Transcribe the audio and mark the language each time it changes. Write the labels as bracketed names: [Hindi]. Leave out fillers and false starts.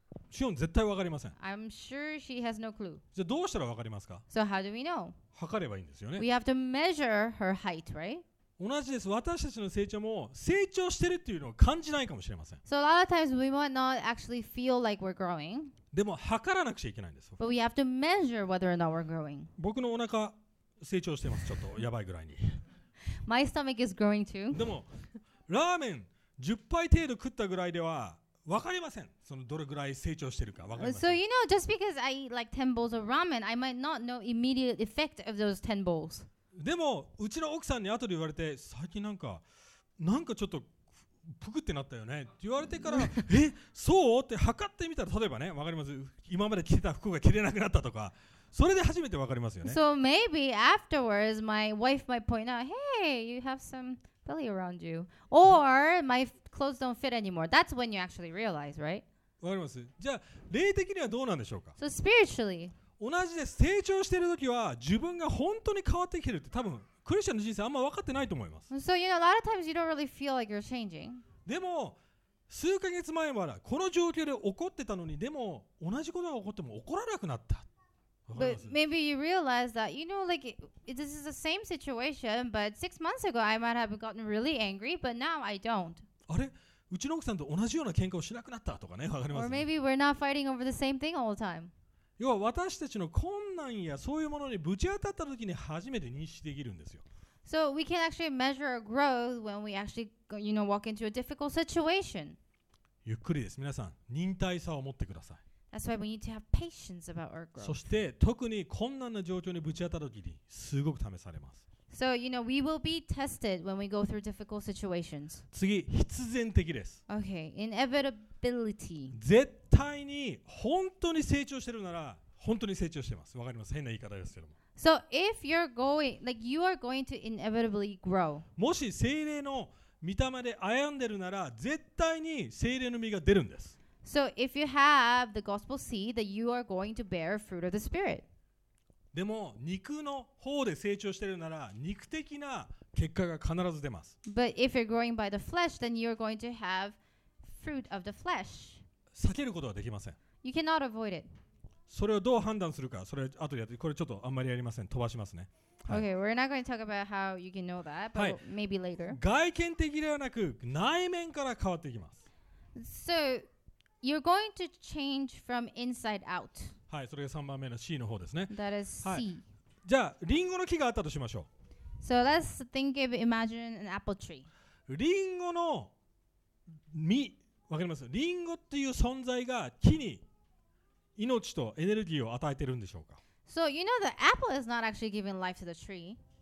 [Japanese] シオン絶対わかりません。 [English] I'm sure she has no clue. [Japanese] じゃあどうしたらわかりますか。 [English] So how do we know? [Japanese] 測ればいいんですよね。 [English] We have to measure her height, right? [Japanese] 同じです。私たちの成長も成長してるっていうのを感じないかもしれません。 [English] So a lot of times we might not actually feel like we're growing. [Japanese] でも測らなくちゃいけないんです。 [English] But we have to measure whether or not we're growing. [Japanese] 僕のお腹成長してます。ちょっとやばいぐらいに。 [English] My stomach is growing too. [Japanese] でもラーメン10杯程度食ったぐらいでは。分かりません、そのどれぐらい成長してるか分かりません。 [English] So you know, just because I eat like 10 bowls of ramen, I might not know immediate effect of those 10 bowls. [Japanese] でもうちの奥さんに後で言われて、最近なんかちょっとぷくってなったよねって言われてからえ、そうって測ってみたら、例えばね、分かります、今まで着てた服が着れなくなったとか、それで初めて分かりますよね。 [English] So maybe afterwards my wife might point out, hey, you have some belly around you, or my clothes don't fit anymore. That's when you actually realize, right? [Japanese] わかります。じゃあ霊的にはどうなんでしょうか。 [English] So spiritually, [Japanese] 同じです。成長してるときは自分が本当に変わってきてるって、多分クリスチャンの人生あんま分かってないと思います。 [English] So you know, a lot of times you don't really feel like you're changing. [Japanese] でも数ヶ月前はこの状況で怒ってたのに、でも同じことが起こっても怒らなくなった。 [English] But maybe you realize that, you know, like, this is the same situation, but 6 months ago, I might have gotten really angry, but now I don't. [Japanese] あれ? うちの奥さんと同じような喧嘩をしなくなったとかね、分かります。 [English] Or maybe we're not fighting over the same thing all the time. [Japanese] 要は私たちの困難やそういうものにぶち当たった時に初めて認識できるんですよ。 [English] So we can actually measure our growth when we actually, you know, walk into a difficult situation. [Japanese] ゆっくりです。皆さん、忍耐さを持ってください。 [English] That's why we need to have patience about our growth. [Japanese] そして特に困難な状況にぶち当たる時にすごく試されます。 [English] So you know we will be tested when we go through difficult situations. [Japanese] 次、必然的です。 [English] Okay, inevitability. [Japanese] 絶対に本当に成長してるなら本当に成長してます。わかります、変な言い方ですけども。 [English] So if you're going, like you are going to inevitably grow. [Japanese] もし聖霊の御霊で歩んでるなら絶対に聖霊の実が出るんです。 [English] So if you have the gospel seed, that you are going to bear fruit of the spirit. [Japanese] でも肉の方で成長してるなら肉的な結果が必ず出ます。 [English] But if you're growing by the flesh, then you are going to have fruit of the flesh. [Japanese] 避けることはできません。 [English] You cannot avoid it. [Japanese] それをどう判断するか、それ後でやって、これちょっとあんまりやりません。飛ばしますね。 [English] はい、okay, we're not going to talk about how you can know that, but、はい、maybe later. [Japanese] 外見的ではなく内面から変わっていきます。 [English] So,You're going to change from inside out. [Japanese] はい、それが3番目の C の方ですね。 [English] That is C.、 [Japanese] はい、じゃあ、リンゴの木があったとしましょう。 [English] So let's think of, imagine an apple tree. [Japanese] リンゴの実、わかります? リンゴっていう存在が木に命とエネルギーを与えてるんでしょうか? [English] So you know the apple is not actually giving life to the tree.